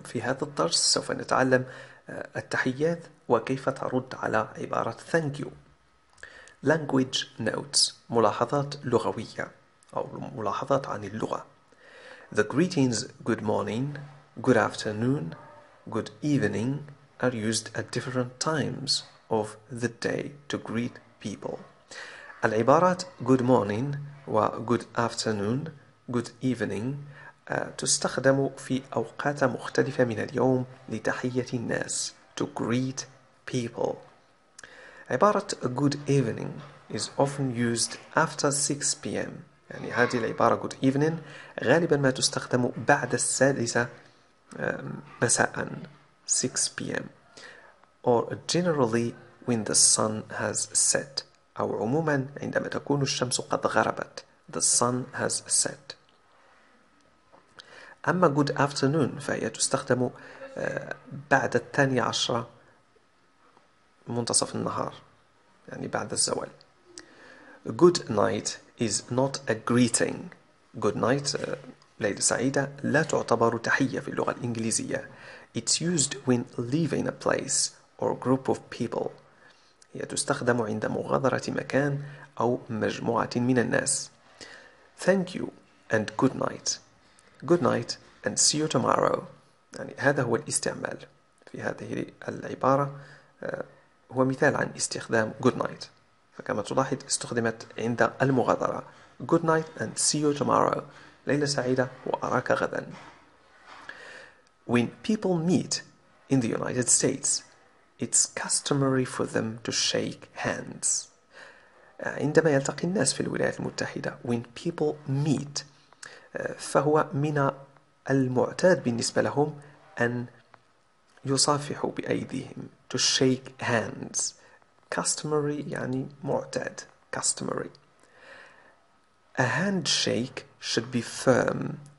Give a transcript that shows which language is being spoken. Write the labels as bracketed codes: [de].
[ar] في هذا الدرس سوف نتعلم التحيات وكيف ترد على عبارة [en] thank you. Language notes، [ar] ملاحظات لغوية أو ملاحظات عن اللغة. [en] The greetings good morning, good afternoon, good evening are used at different times of the day to greet people. [ar] العبارات [en] good morning [ar] و [en] good afternoon, good evening [ar] تستخدم في أوقات مختلفة من اليوم لتحية الناس [en] to greet people. عبارة good evening is often used after 6 p.m. [ar] يعني هذه العبارة [en] good evening [ar] غالبا ما تستخدم بعد السادسة مساء 6 p.m. [en] or generally when the sun has set، [ar] أو عموما عندما تكون الشمس قد غربت. [en] The sun has set. [ar] أما [en] good afternoon [ar] فهي تستخدم بعد 12 منتصف النهار، يعني بعد الزوال. [en] Good night is not a greeting. Good night، [ar] ليلة سعيدة، لا تعتبر تحية في اللغة الإنجليزية. [en] It's used when leaving a place or group of people. [ar] هي تستخدم عند مغادرة مكان أو مجموعة من الناس. [en] Thank you and good night. Good night and see you tomorrow. [ar] يعني هذا هو الاستعمال في هذه العبارة، هو مثال عن استخدام [en] good night. [ar] فكما تلاحظ استخدمت عند المغادرة. [en] Good night and see you tomorrow. [ar] ليلة سعيدة وأراك غدا. [en] When people meet in the United States, it's customary for them to shake hands. [ar] عندما يلتقي الناس في الولايات المتحدة، [en] when people meet، [ar] فهو من المعتاد بالنسبة لهم أن يصافحوا بأيديهم، [en] to shake hands. Customary [ar] يعني معتاد، [en] customary. A handshake should be firm.